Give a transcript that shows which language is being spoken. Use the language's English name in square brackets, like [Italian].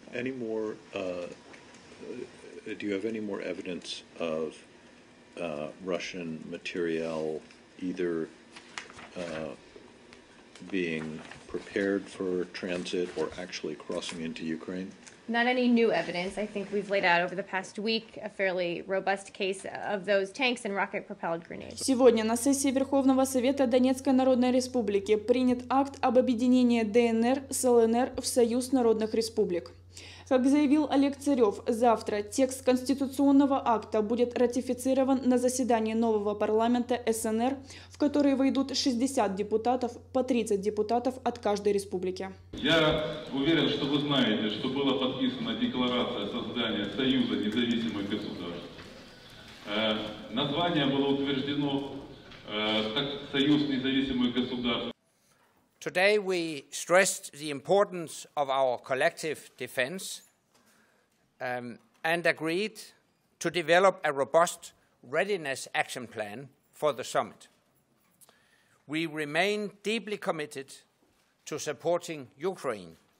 [English] Any more, do you have any more evidence of Russian materiel either being prepared for transit or actually crossing into Ukraine? Not any new evidence. I think we've laid out over the past week a fairly robust case of those tanks and rocket-propelled grenades. [Russian] Сегодня на сессии Верховного Совета Донецкой Народной Республики принят акт об объединении ДНР с ЛНР в Союз Народных Республик. Как заявил Олег Царев, завтра текст конституционного акта будет ратифицирован на заседании нового парламента СНР, в который войдут 60 депутатов, по 30 депутатов от каждой республики. Я уверен, что вы знаете, что была подписана декларация создания Союза независимых государств. Название было утверждено как Союз независимых государств. [English] Today we stressed the importance of our collective defense and agreed to develop a robust readiness action plan for the summit. We remain deeply committed to supporting Ukraine.